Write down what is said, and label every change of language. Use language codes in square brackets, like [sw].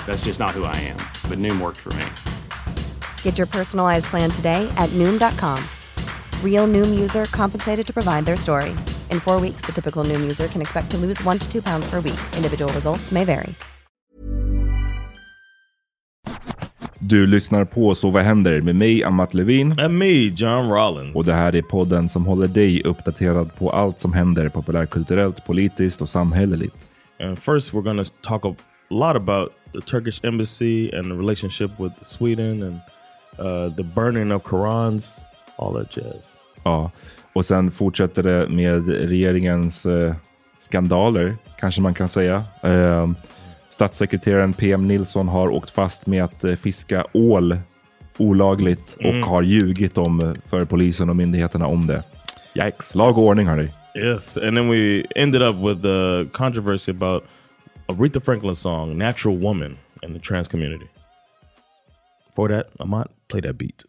[en] That's just not who I am. But Noom worked for me. Get your personalized plan today at Noom.com. Real Noom user compensated to provide their story. In 4 weeks, the typical Noom user can expect to lose 1 to 2 pounds per week. Individual results may vary. [sv] Du lyssnar på Så vad händer med mig, Amat Levin. [en] And me, John Rollins. [sv] Och det här är podden som håller dig uppdaterad på allt som händer populärkulturellt, politiskt och samhälleligt. [en] And first we're going to talk a lot about the Turkish embassy and the relationship with Sweden and the burning of Korans, all that jazz. [sv] Ja, och sen fortsätter det med regeringens skandaler, kanske man kan säga. Statssekreteraren PM Nilsson har åkt fast med att fiska ål olagligt och har ljugit om för polisen och myndigheterna om det. [en] Yikes. [sv] Lag och ordning, hörni. [en] Yes, and then we ended up with the controversy about Aretha Franklin's song Natural Woman in the trans community. For that, Amat, play that beat.